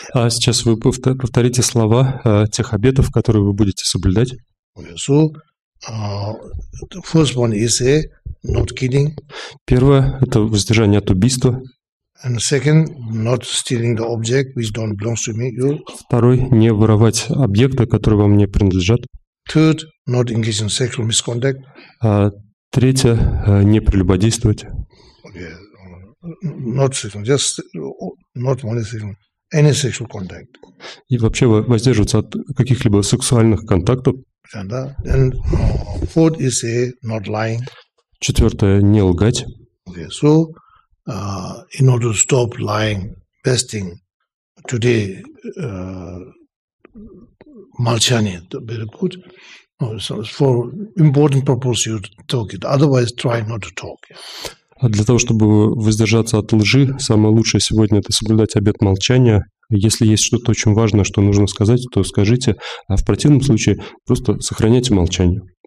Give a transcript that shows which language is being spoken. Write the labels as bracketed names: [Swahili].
[Russian] Сейчас вы повторите слова тех обетов, которые вы будете соблюдать. [English] Okay, so the first one is a not killing. [Russian] Первое это воздержание от убийства. [English] And second, not stealing the object which don't belong to me. You. [Russian] Второй, не воровать объекты, которые вам не принадлежат. [English] Third, not engage in sexual misconduct. [Russian] Третье, не прелюбодействовать. [English] Not sexual, just not only sexual, any sexual contact. [Russian] И вообще воздерживаться от каких-либо сексуальных контактов. [English] And fourth is a not lying. [Russian] Четвертое, не лгать. [English] Okay, so. In order to stop lying, fasting, today, malchani, very good. No, so for important purpose, you talk it. Otherwise, try not to talk. [Russian] А для того, чтобы воздержаться от лжи, самое лучшее сегодня – это соблюдать обет молчания. Если есть что-то очень важное, что нужно сказать, то скажите. А в противном случае просто сохраняйте молчание.